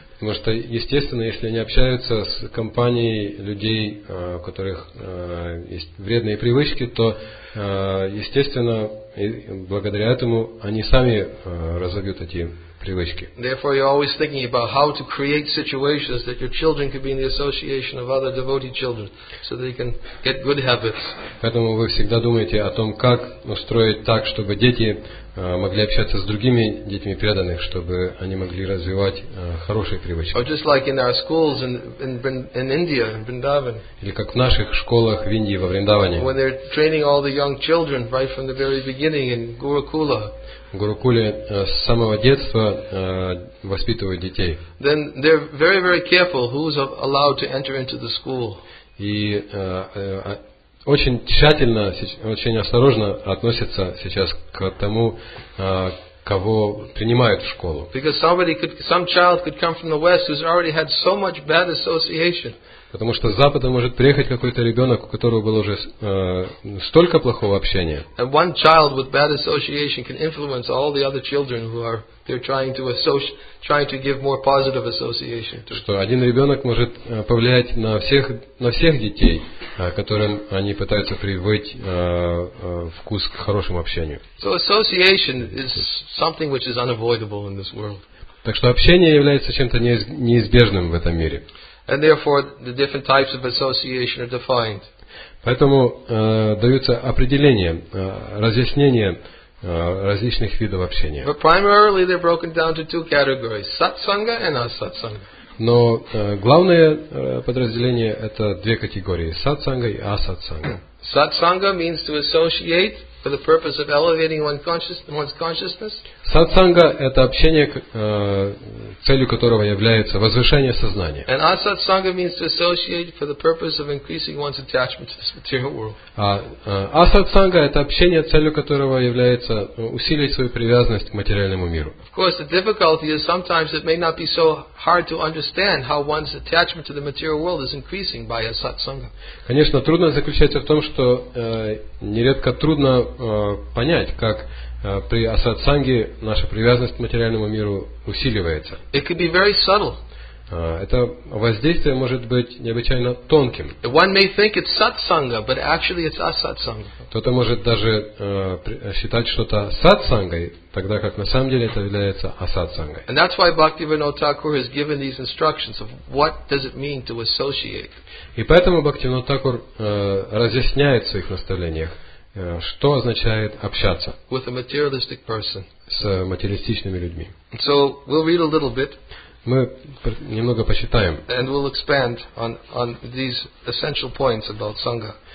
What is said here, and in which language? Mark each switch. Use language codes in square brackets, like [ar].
[ru] Потому что, естественно, если они общаются с компанией людей, у которых есть вредные привычки, то, естественно, благодаря этому они сами разовьют эти привычки. [en] Therefore, you're always thinking about how to create situations that your children could be in the association of other devotee children, so they can get good habits. [ru] Поэтому вы всегда думаете о том, как устроить так, чтобы дети могли общаться с другими детьми преданных, чтобы они могли развивать хорошие привычки. [en] Or just like in our schools in India, in Vrindavan. [ru] Или как в наших школах в Индии, во Вриндаване. [en] When they're training all the young children right from the very beginning in Gurukula. [ru] В Гурукуле с самого детства воспитывают детей. [en] Then they're very, very careful who's allowed to enter into the school. [ru] И очень тщательно, очень осторожно относятся сейчас к тому, кого принимают в школу. [en] Because somebody could, some child could come from the West who's already had so much bad association. [ru] Потому что с Запада может приехать какой-то ребенок, у которого было уже столько плохого общения. [en] And one child with bad association can influence all the other children who are trying to give more positive association. [ru] Что один ребенок может повлиять на всех детей, которым они пытаются привить вкус к хорошему общению. [en] So association is something which is unavoidable in this world. [ru] Так что общение является чем-то неизбежным в этом мире. [en] And therefore, the different types of association are defined. [ru] Поэтому даются определения, разъяснения различных видов общения. [en] But primarily, they're broken down to two categories: satsanga and asatsanga. [ru] Но главное подразделение это две категории: satsanga и asatsanga. [en] Satsanga means to associate for the purpose of elevating one's consciousness. [ru] Сатсанга – это общение, целью которого является возвышение сознания. [en] And asatsanga means to associate for the purpose of increasing one's attachment to this material world. [ru] Асатсанга – это общение, целью которого является усилить свою привязанность к материальному миру. [en] Of course, the difficulty is sometimes it may not be so hard to understand how one's attachment to the material world is increasing by asatsanga. [ru] Конечно, трудность заключается в том, что нередко трудно понять, как при асатсанге наша привязанность к материальному миру усиливается. [en] It could be very subtle. [ru] Это воздействие может быть необычайно тонким. [en] One may think it's satsanga, but actually it's asatsanga. [ru] Кто-то может даже считать что-то сатсангой, тогда как на самом деле это является асатсангой. [en] And that's why Bhaktivinoda Thakur has given these instructions of what does it mean to associate. [ru] И поэтому Бхактивинода Такур разъясняет в своих наставлениях, что означает общаться с материалистичными людьми. [en] So we'll read a little bit. [ru] Мы немного почитаем. [en] And we'll expand on these essential points about sangha.